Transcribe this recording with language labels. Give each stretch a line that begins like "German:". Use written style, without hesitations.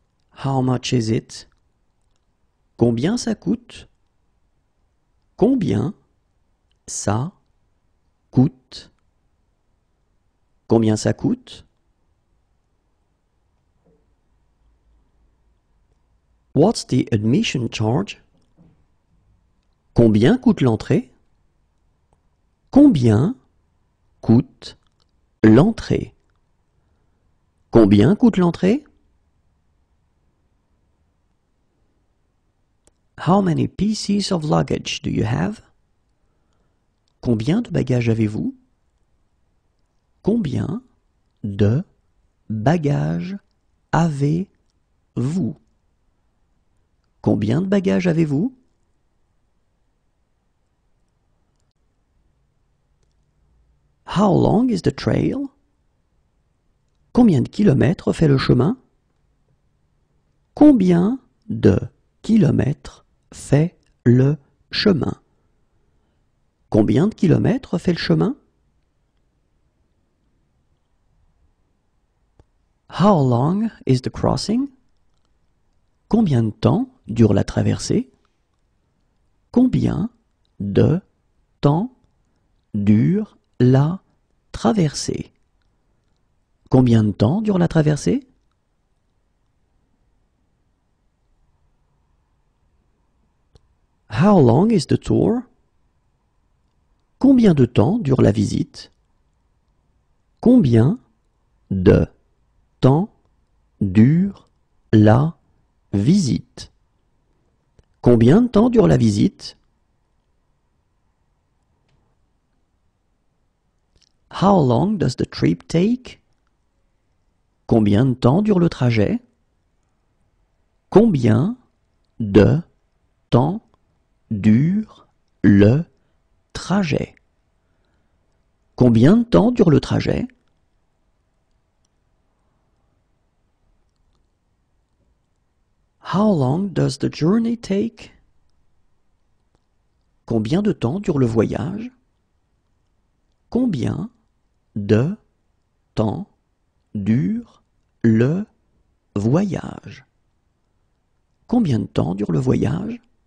English: How much is it?
French: Combien ça coûte? Combien ça coûte? Combien ça coûte?
English: What's the admission charge?
French: Combien coûte l'entrée? Combien coûte l'entrée? Combien coûte l'entrée?
English: How many pieces of luggage do you have?
French: Combien de bagages avez-vous? Combien de bagages avez-vous? Combien de bagages avez-vous?
English: How long is the trail?
French: Combien de kilomètres fait le chemin? Combien de kilomètres fait le chemin? Combien de kilomètres fait le chemin?
English: How long is the crossing?
French: Combien de temps dure la traversée? Combien de temps dure la traversée? Combien de temps dure la traversée?
English: How long is the tour?
French: Combien de temps dure la visite? Combien de temps dure la visite? Combien de temps dure la visite?
English: How long does the trip take?
French: Combien de temps dure le trajet? Combien de temps dure le trajet? Combien de temps dure le trajet?
English: How long does the journey take?
French: Combien de temps dure le voyage? Combien de temps dure le voyage? Combien de temps dure le voyage?